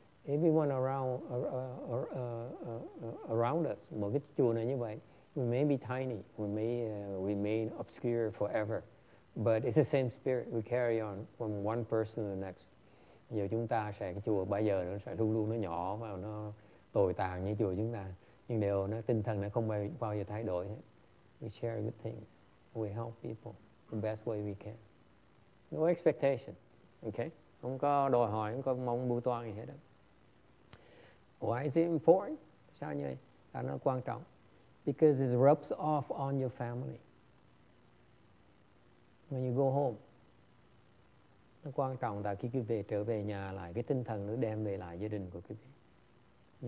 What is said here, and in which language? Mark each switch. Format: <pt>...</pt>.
<en>everyone around us, mogichuna như vậy, we may be tiny, we may remain obscure forever, but it's the same spirit. We carry on from one person to the next.</en> <vi>Giờ chúng ta sẽ cái chùa bây giờ nó sẽ luôn luôn nó nhỏ và nó tồi tàn như chùa chúng ta, nhưng đều nó tinh thần nó không bao giờ thay đổi hết.</vi> <en>We share good things. We help people the best way we can. No expectation, okay?</en> <vi>Không có đòi hỏi, không có mong mưu toan gì hết.</vi> <en>Why is it important?</en> <vi>Sao như vậy? Nó quan trọng.</vi> <en>Because it rubs off on your family. When you go home,</en> <vi>nó quan trọng là khi quý vị trở về nhà lại, cái tinh thần nó đem về lại gia đình của quý vị.</vi>